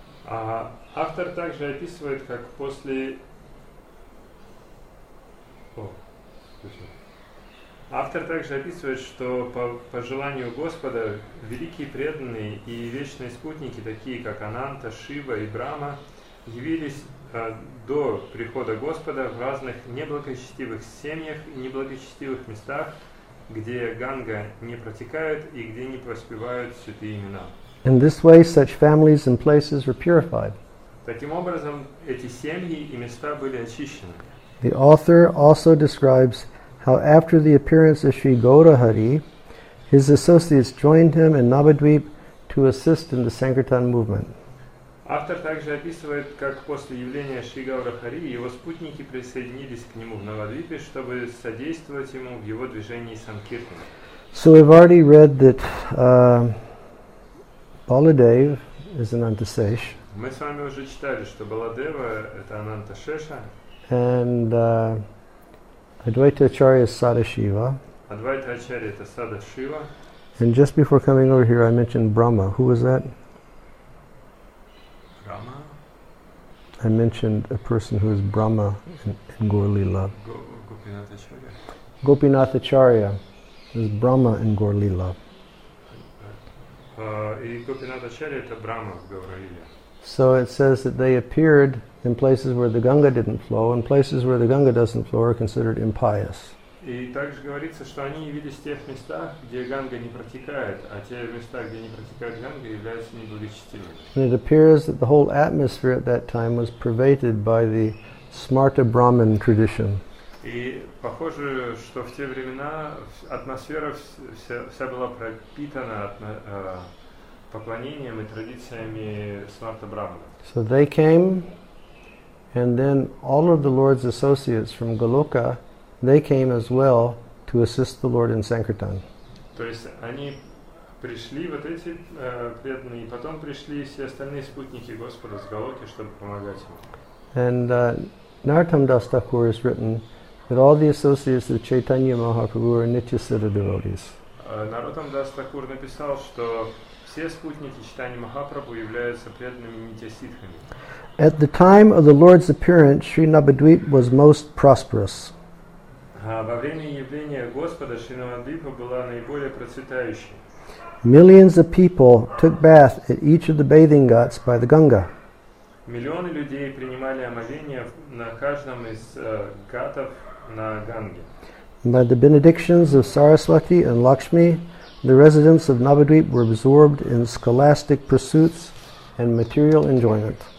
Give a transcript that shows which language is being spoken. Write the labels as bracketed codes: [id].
[ru] Автор также описывает, как после Автор также описывает, что по желанию Господа великие преданные и вечные спутники, такие как Ананта, Шива и Брахма, явились до прихода Господа в разных неблагочестивых семьях и неблагочестивых местах, где Ганга не протекает и где не воспевают святые имена. [en] In this way, such families and places were purified. [ru] Таким образом, эти семьи и места были очищены. [en] The author also describes how after the appearance of Sri Gaurahari, his associates joined him in Navadvip to assist in the Sankirtan movement. [ru] Автор также описывает, как после явления Шри Гаурахари его спутники присоединились к нему в Навадвипе, чтобы содействовать ему в его движении санкиртан. [en] So we've already read that Baladev is an Antasesh. [ru] Мы с вами уже читали, что Баладева это Анантасеша. [en] And Advaita Acharya is Sada Shiva. Advaita Acharya is Sada Shiva. And just before coming over here, I mentioned Brahma. Who was that? Brahma? I mentioned a person who is Brahma in Gaur-lila. Gopinath Acharya. Gopinath Acharya is Brahma in Gaur-lila. Gopinath Acharya is Brahma in Gaur-lila. So it says that they appeared in places where the Ganga didn't flow, and places where the Ganga doesn't flow are considered impious. [ru] И также говорится, что они явились в тех местах, где Ганга не протекает, а те места, где не протекает Ганга, являются неблагочестивыми. [en] And it appears that the whole atmosphere at that time was pervaded by the Smarta Brahman tradition. [ru] И похоже, что в те времена атмосфера вся была пропитана поклонением и традициями Смарта Брахмана. [en] So they came. And then all of the Lord's associates from Goloka, they came as well to assist the Lord in Sankirtan. [ru] То есть они пришли, вот эти преданные, потом пришли все остальные спутники Господа с Голоки, чтобы помогать ему. [en] And Narottam Das Thakur has written that all the associates of Chaitanya Mahaprabhu are Nitya Siddha devotees. [ru] Narottam Das Thakur написал, что все спутники Чайтаньи Махапрабху являются преданными нитья-сиддхами. [en] At the time of the Lord's appearance, Sri Navadvip was most prosperous. [ru] Во время явления Господа Шри Навадвипа была наиболее процветающей. [en] Millions of people took bath at each of the bathing ghats by the Ganga. [ru] Миллионы людей принимали омовение на каждом из гатов на Ганге. [en] By the benedictions of Saraswati and Lakshmi, the residents of Navadvip were absorbed in scholastic pursuits and material enjoyment.